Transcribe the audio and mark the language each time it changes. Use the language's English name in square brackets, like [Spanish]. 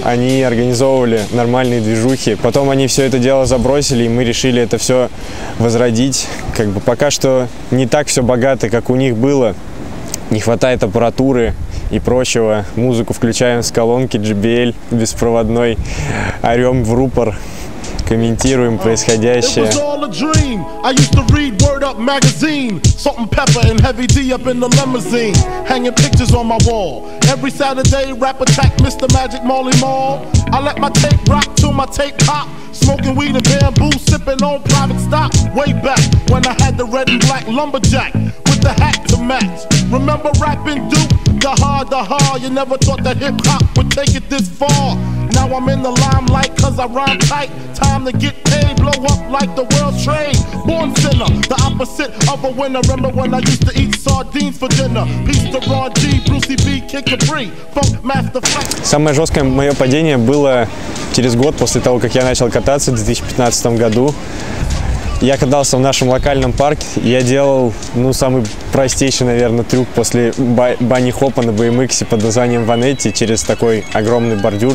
[Russian] Они организовывали нормальные движухи. Потом они все это дело забросили, и мы решили это все возродить. Как бы пока что не так все богато, как у них было. Не хватает аппаратуры и прочего. Музыку включаем с колонки JBL беспроводной. Орем в рупор. Комментируем происходящее. [English] It was all a dream. I used to read Word Up magazine. Salt and pepper and heavy D up in the limousine. Hanging pictures on my wall. Every Saturday, rap attack, Mr. Magic, Molly Mall. I let my tape rock till my tape pop. Smoking weed and bamboo, sipping on private stock. Way back when I had the red and black lumberjack with the hat to match. Remember rapping Duke? Da-ha, you never thought that hip-hop would take it this far. Now I'm in the limelight cause I rhyme tight. Time to get paid, blow up like the world trade. Born sinner, the opposite of a winner. Remember when I used to eat sardines for dinner? Peace to Ron G, Brucey B, Kid Capri, Funk Master Flex. [Russian] Самое жесткое мое падение было через год после того, как я начал кататься в 2015 году. Я катался в нашем локальном парке, я делал, ну, самый простейший, наверное, трюк после банни-хопа на BMX под названием Ванетти через такой огромный бордюр.